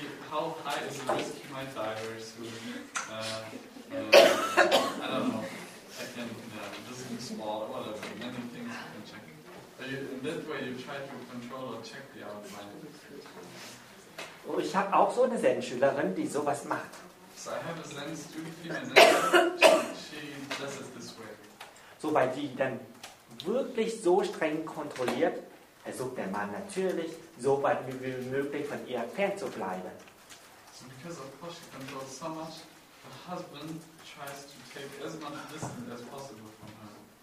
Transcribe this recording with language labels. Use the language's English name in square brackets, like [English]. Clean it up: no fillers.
[English] How high is the risk he might die very soon? I don't know. I can, does he smoke? Whatever. Many things you can check. In that way, you try to control or check the outside. [German] Oh, ich habe auch so eine Zen-Schülerin, die sowas macht. [English] So I have a Zen student here, and she does it this way. [German] So, weil die dann wirklich so streng kontrolliert, versucht der Mann natürlich, so weit wie möglich von ihr fern zu bleiben. [English] So, because of course she controls so much, her husband tries to take as much distance as possible from her.